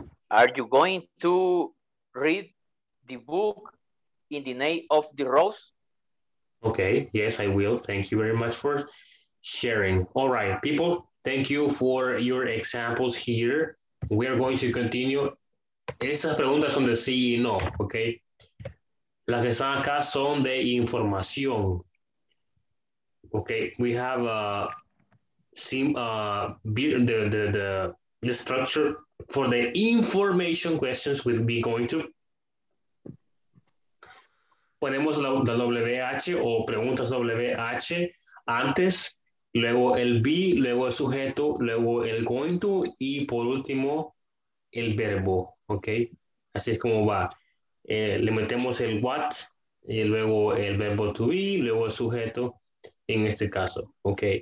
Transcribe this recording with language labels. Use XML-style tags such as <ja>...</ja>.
<en>Are you going to read the book In the Name of the Rose? Okay, yes, I will. Thank you very much for sharing. All right, people, thank you for your examples here. We are going to continue.</en> <es>Esas preguntas son de sí y no, okay? Las que están acá son de información.</es> <en>Okay, we have the structure for the information questions with be going to.</en> <es>Ponemos la WH o preguntas WH antes, luego el be, luego el sujeto, luego el going to y por último el verbo, ¿ok? Así es como va. Le metemos el what y luego el verbo to be, luego el sujeto en este caso, ¿ok?</es>